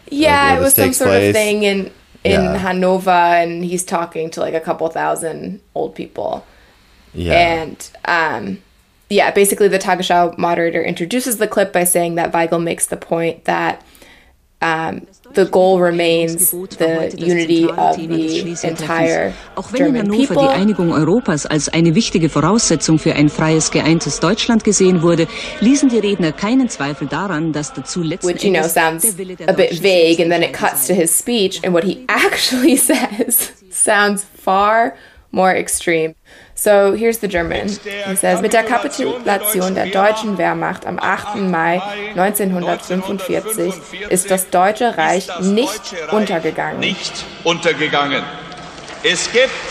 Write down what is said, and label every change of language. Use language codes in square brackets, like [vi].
[en] Yeah, like, it was some sort of thing in Hannover, and he's talking to like a couple thousand old people. Basically the Tagesschau moderator introduces the clip by saying that Weigl makes the point that the goal remains the unity of the entire German people. [de] Die Einigung Europas als eine wichtige Voraussetzung für ein freies, geeintes Deutschland gesehen wurde, ließen die Redner keinen Zweifel daran, dass dazu letzten Endes. [en] Which, you know, sounds a bit vague, and then it cuts to his speech, and what he actually says sounds far more extreme. So here's the German. He says, [de] mit der Kapitulation der deutschen Wehrmacht am 8. Mai 1945 ist das Deutsche Reich nicht untergegangen. Nicht untergegangen. Es gibt